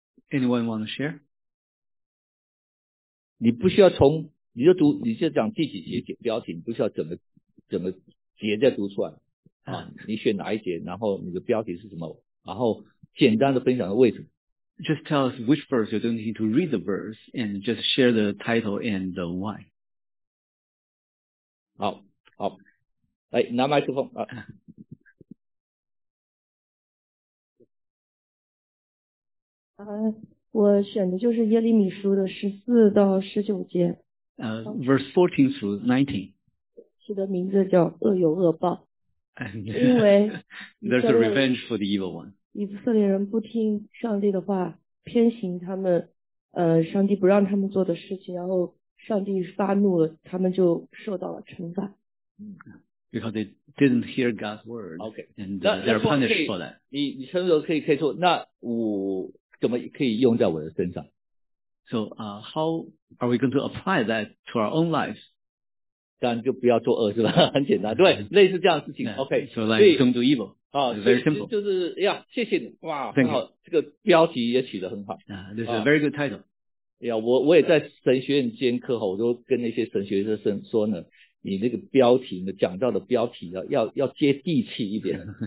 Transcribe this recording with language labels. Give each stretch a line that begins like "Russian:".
English: Anyone want to share?
Chinese: 你不需要从，你就读，你就讲第几节标题，你不需要整个节再读出来啊，你选哪一节，然后你的标题是什么，然后简单的分享的位置。
English: Just tell us which verse you don't need to read the verse and just share the title and the why.
Chinese: 好好，来拿麦克风啊。我选的就是耶利米书的14-19节。
English: Verse 14 through 19.
Chinese: 是的，名字叫恶有恶报。因为
English: There's a revenge for the evil one.
Chinese: 以色列人不听上帝的话，偏行他们上帝不让他们做的事情，然后上帝发怒了，他们就受到了惩罚。
English: Because they didn't hear God's word. Okay. And they're punished for that.
Chinese: 你承受可以说，那我怎么可以用在我的身上？
English: So, how are we going to apply that to our own lives?
Chinese: 当然就不要做恶，是吧？很简单，对，类似这样的事情。
English: Yeah, OK, so like don't do evil. Very simple.
Chinese: 就是呀， yeah, 谢谢你，哇，很好，这个标题也取得很好。
English: This is a very good title.
Chinese: 呀，我也在神学院兼课哈，我都跟那些神学生说呢，你那个标题呢，讲到的标题要接地气一点。